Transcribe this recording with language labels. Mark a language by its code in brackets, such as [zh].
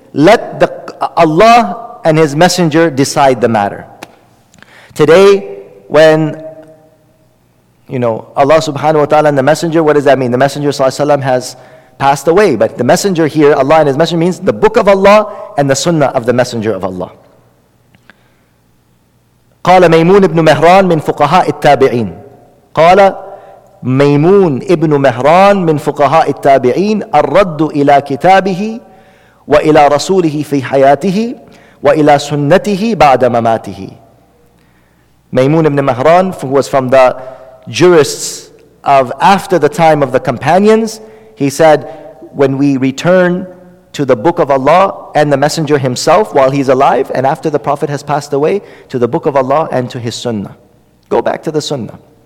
[en] Let the Allah and His Messenger decide the matter. Today, when, you know, Allah subhanahu wa ta'ala and the Messenger, what does that mean? The Messenger sallallahu alayhi wa sallam has passed away, but the Messenger here, Allah and His Messenger, means the Book of Allah and the Sunnah of the Messenger of Allah. [ar] قال ميمون ابن مهران من فقهاء التابعين. قال ميمون ابن مهران من فقهاء التابعين الرد إلى كتابه وإلى رسوله في حياته وإلى سنته بعد مماته. [en] ميمون ابن مهران, who was from the jurists of after the time of the companions, he said, when we return to the Book of Allah and the Messenger himself while he's alive, and after the Prophet has passed away, to the Book of Allah and to his Sunnah. Go back to the Sunnah.